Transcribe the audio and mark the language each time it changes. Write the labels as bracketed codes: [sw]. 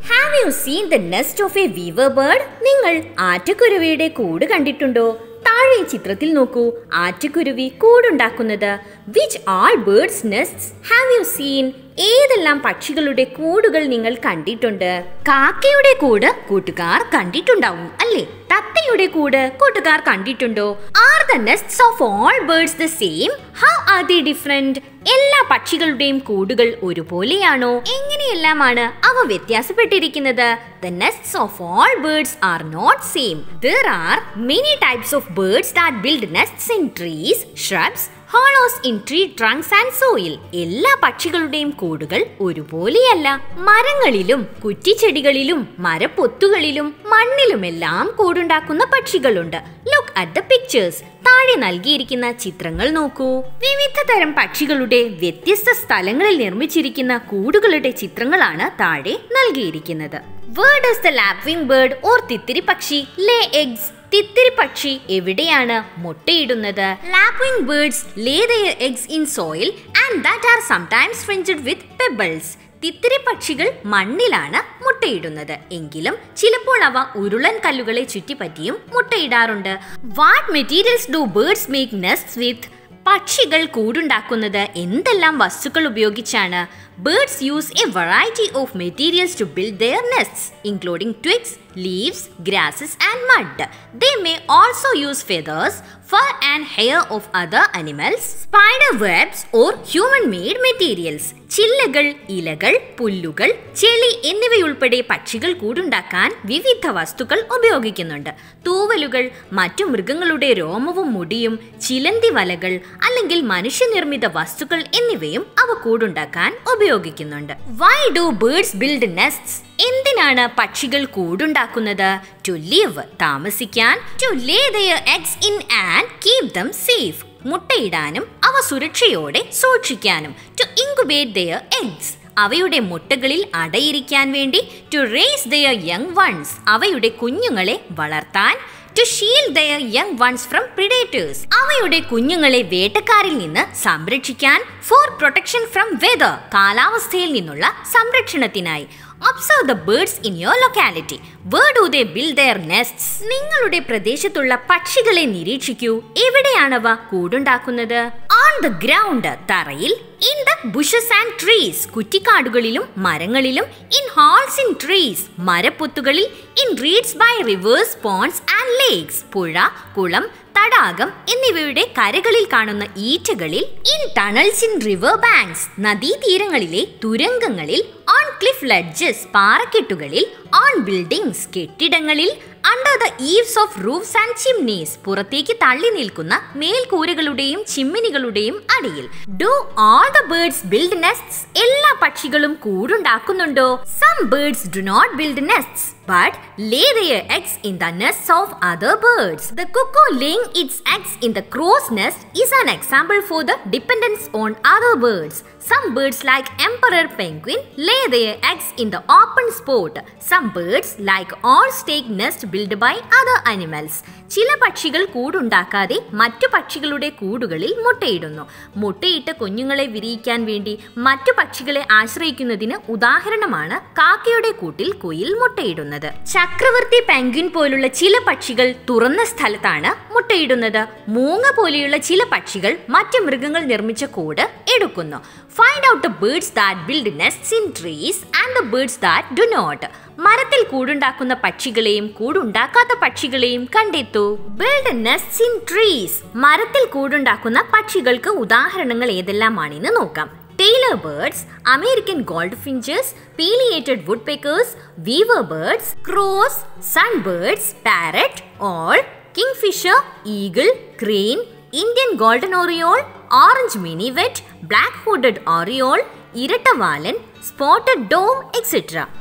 [en] Have you seen the nest of a weaver bird? [ml] നിങ്ങൾ ആറ്റക്കുരുവിയുടെ കൂട് കണ്ടിട്ടുണ്ടോ? താഴെ ചിത്രത്തിൽ നോക്കൂ. ആറ്റക്കുരുവി കൂടുണ്ടാക്കുന്നത്. [en] Which all birds' nests have you seen? [ml] ഏതെല്ലാം പക്ഷികളുടെ കൂടുകൾ നിങ്ങൾ കണ്ടിട്ടുണ്ട്? കാക്കയുടെ കൂട് കൂട്ടുകാർ കണ്ടിട്ടുണ്ടാവും അല്ലേ? തത്തയുടെ കൂട് കൂട്ടുകാർ കണ്ടിട്ടുണ്ടോ? [en] Are the nests of all birds the same? How are they different? [ml] എല്ലാ പക്ഷികളുടെയും കൂടുകൾ ഒരുപോലെയാണോ? എങ്ങനെയെല്ലാമാണ് അവ വ്യത്യാസപ്പെട്ടിരിക്കുന്നത്? [en] The nests of all birds are not same. There are many types of birds that build nests in trees, shrubs, hollows in tree trunks and soil. [ml] എല്ലാ പക്ഷികളുടെയും കൂടുകൾ ഒരുപോലെയല്ല. മരങ്ങളിലും കുറ്റിച്ചെടികളിലും മരപ്പൊത്തുകളിലും മണ്ണിലുമെല്ലാം കൂടുണ്ടാക്കുന്ന പക്ഷികളുണ്ട്. [en] Look at the pictures. [ml] താഴെ നൽകിയിരിക്കുന്ന ചിത്രങ്ങൾ നോക്കൂ. വിവിധ തരം പക്ഷികളുടെ വ്യത്യസ്ത സ്ഥലങ്ങളിൽ നിർമ്മിച്ചിരിക്കുന്ന കൂടുകളുടെ ചിത്രങ്ങളാണ് താഴെ നൽകിയിരിക്കുന്നത്. [en] Where does the lapwing bird or [ml] തിത്തിരി പക്ഷി [en] lay eggs? [ml] തിത്തിരി പക്ഷി എവിടെയാണ് മുട്ടയിടുന്നത്? [en] Lapwing birds lay their eggs in soil and that are sometimes fringed with pebbles. [ml] തിത്തിരി പക്ഷികൾ മണ്ണിലാണ് മുട്ടയിടുന്നത്. എങ്കിലും ചിലപ്പോൾ അവ ഉരുളൻ കല്ലുകളെ ചുറ്റിപ്പറ്റിയും മുട്ടയിടാറുണ്ട്. [en] What materials do birds make nests with? [ml] പക്ഷികൾ കൂടുണ്ടാക്കുന്നത് എന്തെല്ലാം വസ്തുക്കൾ ഉപയോഗിച്ചാണ്? [en] Birds use a variety of materials to build their nests, including twigs, leaves, grasses and mud. They may also use feathers, fur and hair of other animals, spider webs or human-made materials. [ml] ചില്ലകൾ, ഇലകൾ, പുല്ലുകൾ, ചെളി എന്നിവയുൾപ്പെടെ പക്ഷികൾ കൂടുണ്ടാക്കാൻ വിവിധ വസ്തുക്കൾ ഉപയോഗിക്കുന്നുണ്ട്. തൂവലുകൾ, മറ്റു മൃഗങ്ങളുടെ രോമവും മുടിയും, ചിലന്തി വലകൾ അല്ലെങ്കിൽ മനുഷ്യനിർമ്മിത വസ്തുക്കൾ എന്നിവയും അവ കൂടുണ്ടാക്കാൻ ഉപയോഗിക്കുന്നുണ്ട്. [en] Why do birds build nests? [ml] എന്തിനാണ് പക്ഷികൾ കൂടുണ്ടാക്കുന്നത്? [en] To live, [ml] താമസിക്കാൻ. [en] To lay their eggs in and keep them safe, [ml] മുട്ടയിടാനും അവ സുരക്ഷയോടെ സൂക്ഷിക്കാനും. [en] To incubate their eggs, [ml] അവയുടെ മുട്ടകളിൽ അടയിരിക്കാൻ വേണ്ടി. [en] To raise their young ones, [ml] അവയുടെ കുഞ്ഞുങ്ങളെ വളർത്താൻ. [en] To shield their young ones from predators, [ml] അവയുടെ കുഞ്ഞുങ്ങളെ വേട്ടക്കാരിൽ നിന്ന് സംരക്ഷിക്കാൻ. [en] For protection from weather, [ml] കാലാവസ്ഥയിൽ നിന്നുള്ള സംരക്ഷണത്തിനായി. [en] Observe the birds in your locality. Where do they build their nests? [ml] നിങ്ങളുടെ പ്രദേശത്തുള്ള പക്ഷികളെ നിരീക്ഷിക്കൂ. എവിടെയാണ് അവ കൂടുണ്ടാക്കുന്നത്? [en] On the ground, [ml] തറയിൽ. [en] In the bushes and trees, [ml] കുറ്റിക്കാടുകളിലും മരങ്ങളിലും. [en] In holes in trees, [ml] മരപ്പൊത്തുകളിൽ. [en] In reeds by rivers, ponds and lakes, [ml] പുഴ, കുളം, തടാകം എന്നിവയുടെ കരകളിൽ കാണുന്ന ഈറ്റകളിൽ. [en] In tunnels in river banks, [ml] നദീതീരങ്ങളിലെ തുരങ്കങ്ങളിൽ. [en] On cliff ledges, [ml] പാറക്കെട്ടുകളിൽ. [en] On buildings, [ml] കെട്ടിടങ്ങളിൽ. [en] under the eaves of roofs and chimneys [ml] പുറത്തേക്ക് തള്ളി നിൽക്കുന്ന മേൽക്കൂരകളുടെയും ചിമ്മിനികളുടെയും അടിയിൽ. [en] do all the birds build nests [ml] എല്ലാ പക്ഷികളും കൂടുണ്ടാക്കുന്നുണ്ടോ? [en] Some birds do not build nests but lay their eggs in the nests of other birds. The cuckoo laying its eggs in the crow's nest is an example for the dependence on other birds. Some birds like emperor penguin lay their eggs in the open spot. Some birds like owls take nests built by other animals. [ml] ചില പക്ഷികൾ കൂടുണ്ടാക്കാതെ മറ്റു പക്ഷികളുടെ കൂടുകളിൽ മുട്ടയിടുന്നു. മുട്ടയിട്ട കുഞ്ഞുങ്ങളെ വിരിയിക്കാൻ വേണ്ടി മറ്റു പക്ഷികളെ ആശ്രയിക്കുന്നതിന് ഉദാഹരണമാണ് കാക്കയുടെ കൂട്ടിൽ കുയിൽ മുട്ടയിടുന്നത്. ചക്രവർത്തി പെൻഗ്വിൻ പോലുള്ള ചില പക്ഷികൾ തുറന്ന സ്ഥലത്താണ് മുട്ടയിടുന്നത്. മൂങ്ങ പോലെയുള്ള ചില പക്ഷികൾ മറ്റ് മൃഗങ്ങൾ നിർമ്മിച്ച കൂട് എടുക്കുന്നു. [en] Find out the birds that build nests in trees and the birds that do not. [ml] മരത്തിൽ കൂടുണ്ടാക്കുന്ന പക്ഷികളെയും കൂടുണ്ടാക്കാത്ത പക്ഷികളെയും കണ്ടെത്തു. [en] Build nests in trees. [ml] മരത്തിൽ കൂടുണ്ടാക്കുന്ന പക്ഷികൾക്ക് ഉദാഹരണങ്ങൾ ഏതെല്ലാമാണെന്ന് നോക്കാം. [en] Tailor birds, American gold finches, pileated wood peckers, weaver birds, crows, sun birds, parrot, owl, king fisher, eagle, crane, Indian golden oriole, orange minivet, black hooded oriole, ഇരട്ട വാലൻ, spotted dove et cetera.